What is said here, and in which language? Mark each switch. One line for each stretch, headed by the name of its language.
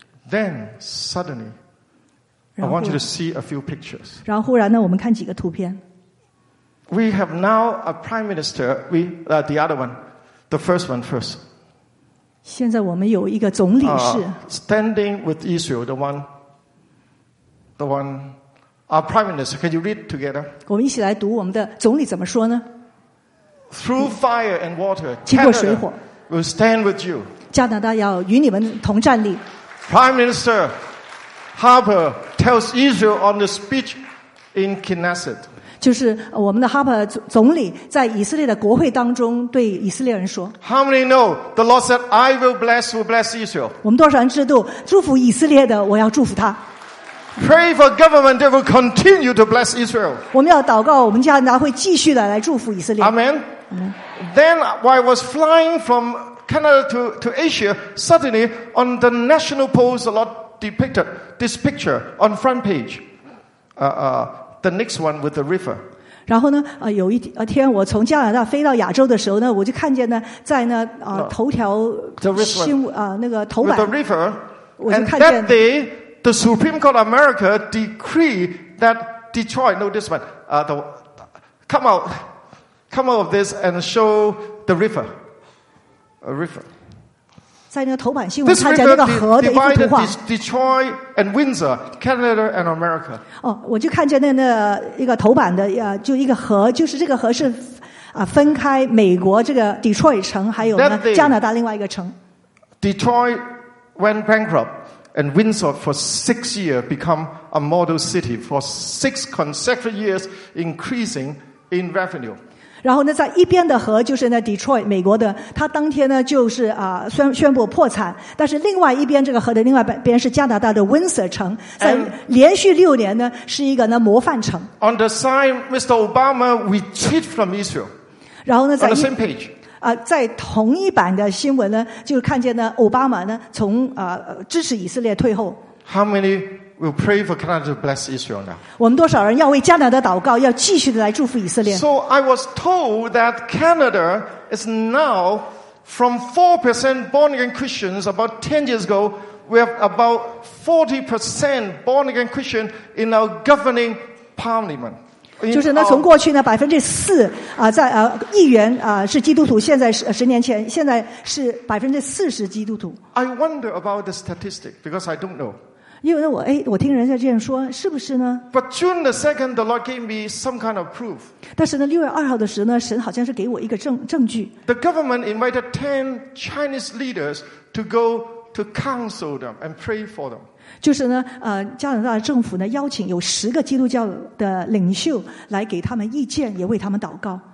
English: Then suddenly, I want you to see a few pictures.
Chinese: 然后忽然呢，我们看几个图片。
English: We have now a prime minister. The other one, the first one first.
Chinese: 现在我们有一个总理是。
English: Standing with Israel, the one, our prime minister. Can you read together?
Chinese: 我们一起来读我们的总理怎么说呢
English: ？Through fire and water,
Chinese: 经过水火
English: Canada will stand with you.
Chinese: 加拿大要与你们同站立。
English: Prime Minister Harper tells Israel on the speech in Knesset.
Chinese: 就是我们的 Harper 总理在以色列的国会当中对以色列人说。
English: How many know the Lord said, "I will bless who bless Israel"?
Chinese: 我们多少人知道祝福以色列的，我要祝福他。
English: Pray for government that will continue to bless Israel.
Chinese: 我们要祷告，我们加拿大会继续的来祝福以色列。
English: Amen. Then while I was flying from Canada to Asia, suddenly on the national polls, the Lord depicted this picture on front page. The next one with the river.
Chinese: 然后呢，有一天我从加拿大飞到亚洲的时候呢，我就看见呢，在那头条新闻那个头版。
English: With the river,
Chinese: 我就看见。
English: And that day, the Supreme Court of America decreed that Detroit, no, this one, come out of this and show the river. A river.
Chinese: 在那个头版新闻看见那个河的一幅图画。
English: Detroit and Windsor, Canada and America.
Chinese: 哦，我就看见那一个头版的就一个河，就是这个河是分开美国这个 Detroit 城还有呢加拿大另外一个城。
English: Detroit went bankrupt, and Windsor for 6 years become a model city for 6 consecutive years, increasing in revenue.
Chinese: 然后呢，在一边的河就是那 Detroit 美国的，他当天呢就是宣布破产，但是另外一边这个河的另外边是加拿大的 Windsor 城，在连续6年呢是一个呢模范城。
English: On the side, Mr. Obama retreat from Israel.
Chinese: 然后呢，在
English: On the same page.
Chinese: 在同一版的新闻呢，就看见呢奥巴马呢从支持以色列退后。
English: How many will pray for Canada to bless Israel now?
Chinese: 我们多少人要为加拿大祷告，要继续的来祝福以色列。
English: So I was told that Canada is now from 4% born again Christians about 10 years ago, we have about 40% born again Christian in our governing parliament.
Chinese: 就是呢，从过去呢4%啊，在议员啊是基督徒，现在十年前，现在是40%是基督徒。
English: I wonder about the statistic because I don't know.
Chinese: 因为我哎，我听人家这样说，是不是呢
English: ？But June the 2nd, the Lord gave me some kind of proof.
Chinese: 但是呢，6月2日的时候呢，神好像是给我一个证据。
English: The government invited 10 Chinese leaders to go to counsel them and pray for them.
Chinese: 就是呢，加拿大政府呢邀请有10个基督教的领袖来给他们意见，也为他们祷告。